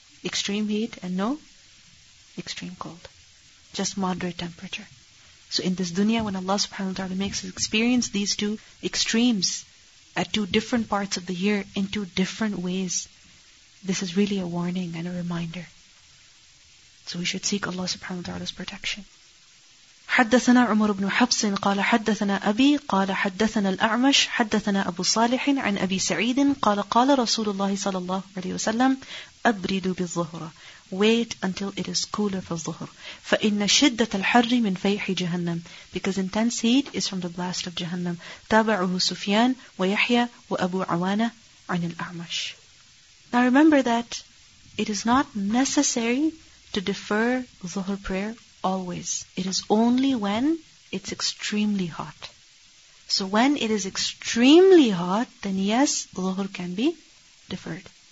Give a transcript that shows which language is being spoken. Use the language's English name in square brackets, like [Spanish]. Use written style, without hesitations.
[English] extreme heat and no extreme cold. Just moderate temperature. So in this dunya, when Allah subhanahu wa ta'ala makes us experience these two extremes at two different parts of the year in two different ways, this is really a warning and a reminder. So we should seek Allah subhanahu wa ta'ala's protection. [Arabic] حدثنا عمر بن حفص قال حدثنا أبي قال حدثنا الأعمش حدثنا أبو صالح عن أبي سعيد قال قال رسول الله صلى الله عليه وسلم أبرد بالظهر. [English] Wait until it is cooler for الظهر. [Arabic] فإن شدة الحر من فيح جهنم. [English] Because intense heat is from the blast of Jahannam. [Arabic] تابعه سفيان ويحيى وأبو عوانة عن الأعمش. [English] Now remember that it is not necessary to defer ظهر prayer always. It is only when it's extremely hot. So when it is extremely hot, then yes, Dhuhr can be deferred.